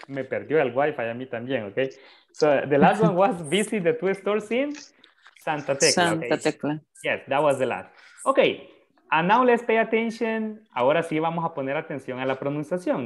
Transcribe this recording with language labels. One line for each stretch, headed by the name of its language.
Spanish: Me perdió el wifi a mí también, okay?
English: So the last one was visit the two stores in Santa Tecla. Yes, that was the last. Okay, and now let's pay attention.
Spanish: Ahora sí vamos a poner atención a la pronunciación.